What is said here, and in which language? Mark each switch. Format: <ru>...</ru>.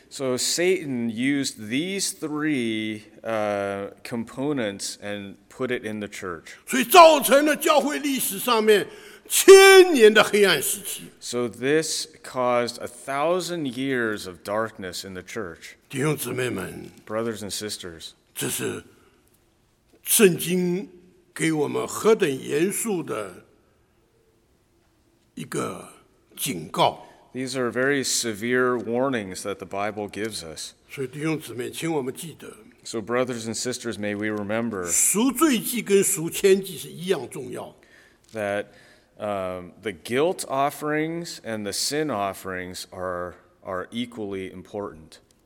<en>So Satan used these three components and put it in the church. So this caused 1,000 years of darkness in the church.</en> <zh>弟兄姊妹们,</zh> <en>brothers and sisters,</en> <zh>这是圣经给我们何等严肃的一个警告。</zh> <en>These are very severe warnings that the Bible gives us.</en> <zh>所以弟兄姊妹,</zh> <en>so brothers and sisters, may we remember</en> <zh>赎罪祭跟赎愆祭是一样重要,</zh> <en>that the guilt offerings and the sin offerings are equally important.</en>